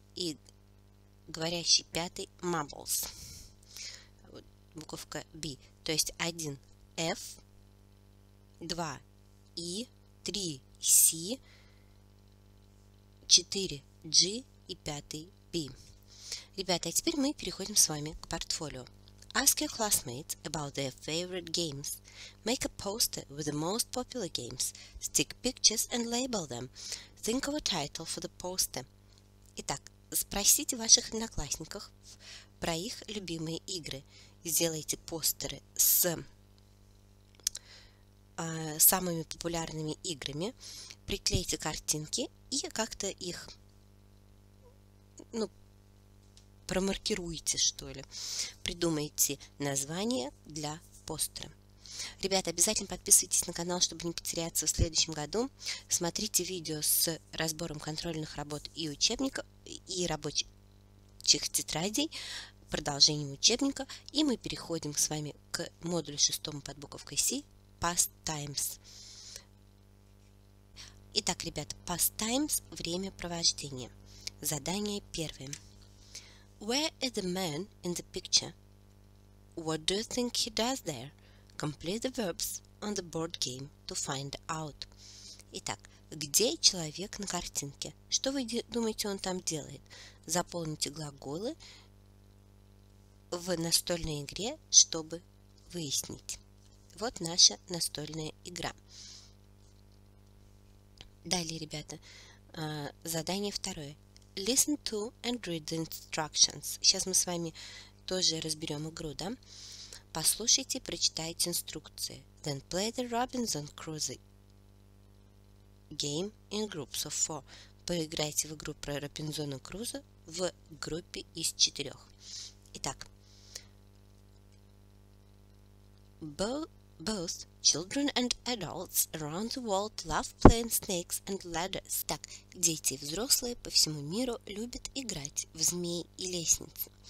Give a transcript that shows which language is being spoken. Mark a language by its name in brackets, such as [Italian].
[Russian] И говорящий пятый, мамблс, буковка Б. То есть один F, два И, три C, 4G и 5B. Ребята, а теперь мы переходим с вами к портфолио. [English] Ask your classmates about their favorite games. Make a poster with the most popular games. Stick pictures and label them. Think of a title for the poster. [Russian] Итак, спросите ваших одноклассников про их любимые игры. Сделайте постеры с самыми популярными играми. Приклейте картинки и как-то их, промаркируйте, что ли. Придумайте название для постера. Ребята, обязательно подписывайтесь на канал, чтобы не потеряться в следующем году. Смотрите видео с разбором контрольных работ и учебников, и рабочих тетрадей, продолжением учебника. И мы переходим с вами к модулю 6 под буковкой C, Past Times. Итак, ребята, Past Times – время провождения. Задание первое. [English] Where is the man in the picture? What do you think he does there? Complete the verbs on the board game to find out. [Russian] Итак, где человек на картинке? Что вы думаете, он там делает? Заполните глаголы в настольной игре, чтобы выяснить. Вот наша настольная игра. Далее, ребята, задание второе. [English] Listen to and read the instructions. [Russian] Сейчас мы с вами тоже разберем игру, да? Послушайте, прочитайте инструкции. [English] Then play the Robinson Crusoe game in groups of four. [Russian] Поиграйте в игру про Робинзона Крузо в группе из четырех. Итак. [English] Both children and adults around the world love playing snakes and ladders. [Russian] Так, дети и взрослые по всему миру любят играть в змей и лестницы.